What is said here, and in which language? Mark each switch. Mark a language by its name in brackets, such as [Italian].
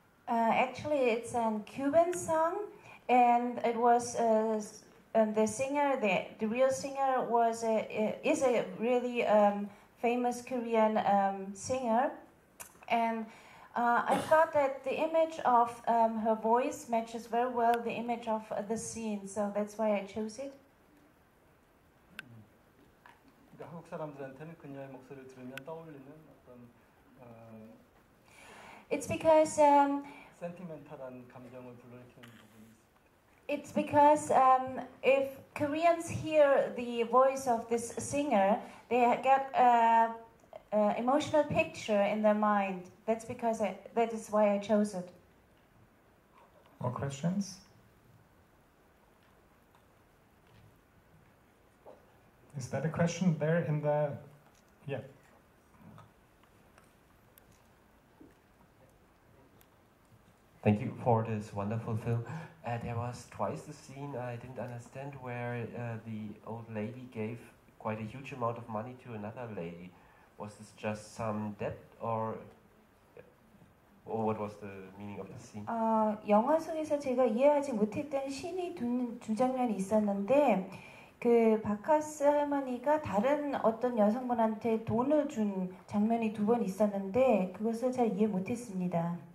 [English] Actually, it's a Cuban song, and it was the singer, the real singer was is a really famous Korean singer, and I thought that the image of her voice matches very well the image of the scene, so that's why I chose it. [Korean] 한국 사람들한테는 그녀의 목소리를 들으면 떠올리는 어떤 [English] It's because [Korean] sentimental한 감정을 불러일으키는 부분이 [English] It's because if Koreans hear the voice of this singer, they get emotional picture in their mind. That's because that is why I chose it. More questions? Is that a question there in the, yeah. Thank you for this wonderful film. There was twice the scene I didn't understand where the old lady gave quite a huge amount of money to another lady. Was this just some debt, or what was the meaning of the scene? [Korean] 영화 속에서 제가 이해하지 못했던 신이 두 장면이 있었는데 그 바카스 할머니가 다른 어떤 여성분한테 돈을 준 장면이 두 번 있었는데 그것을 잘 이해 못했습니다.